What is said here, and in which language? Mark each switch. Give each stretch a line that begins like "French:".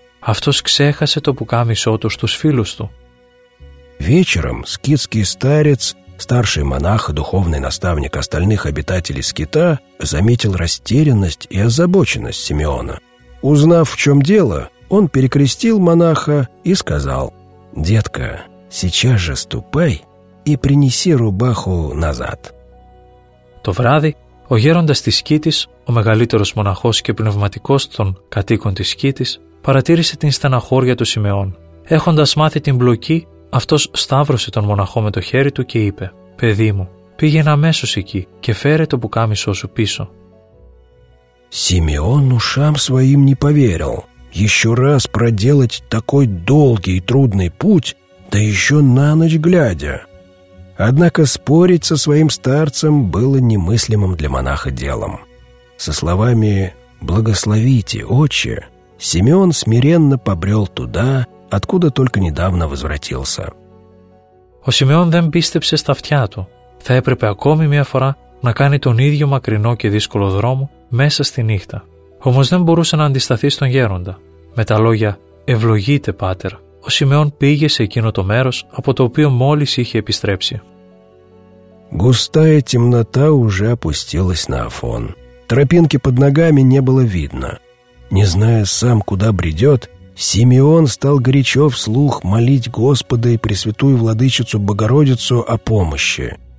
Greek: Αυτός ξέχασε το πουκάμισό του στους φίλους του.
Russian: Вечером скитский старец, старший монах и духовный наставник остальных обитателей скита, заметил растерянность и озабоченность Симеона. Узнав, в чем дело, он перекрестил монаха и сказал: «Детка, сейчас же ступай и принеси рубаху назад».
Greek: Το βράδυ, Ο γέροντας της Σκήτης, ο μεγαλύτερος μοναχός και πνευματικός των κατοίκων της Σκήτης, παρατήρησε την στεναχώρια του Σιμεών. Έχοντας μάθει την μπλοκή, αυτός σταύρωσε τον μοναχό με το χέρι του και είπε: «Παιδί μου, πήγαινε αμέσως εκεί και φέρε το πουκάμισό σου πίσω».
Russian: Симеон ушам своим не поверил. Еще раз проделать такой долгий и трудный путь, да еще на ночь глядя. Однако спорить со своим старцем было немыслимым для монаха делом. Со словами «Благословите, отче», Симеон смиренно побрел туда, откуда только недавно возвратился.
Greek: Ο Симеон δεν πίστεψε στα αυτιά του. Θα έπρεπε ακόμη μια φορά να κάνει τον ίδιο μακρινό και δύσκολο δρόμο μέσα στη νύχτα. Όμως δεν μπορούσε να αντισταθεί στον γέροντα. Με τα λόγια «Ευλογείτε, Πάτερ», ο Σιμεών πήγε σε εκείνο το μέρος από το οποίο μόλις είχε επιστρέψει.
Russian: Густая темнота уже опустилась на Афон. Тропинки под ногами не было видно. Не зная сам, куда бредет, Симеон стал горячо вслух молить Господа и Пресвятую Владычицу Богородицу о помощи.